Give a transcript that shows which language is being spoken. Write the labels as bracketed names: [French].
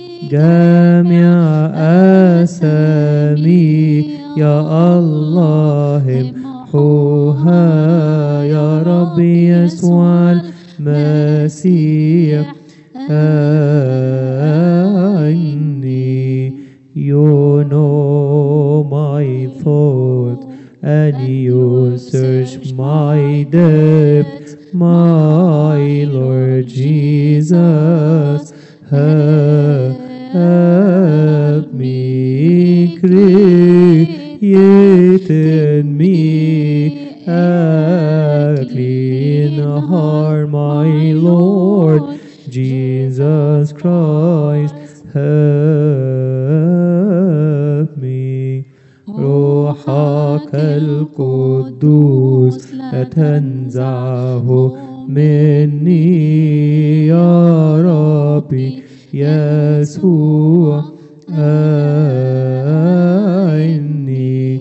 [Arabic] جميع أسامي يا الله امحوها يا ربي يسوع المسيح، أعني. [English] You know my thought and you search my depth, my Lord Jesus, help me. Create in me a clean heart, my Lord Jesus Christ, help me. [Arabic] روحك القدوس لا تنزعه مني يا ربي يسوع، أعني.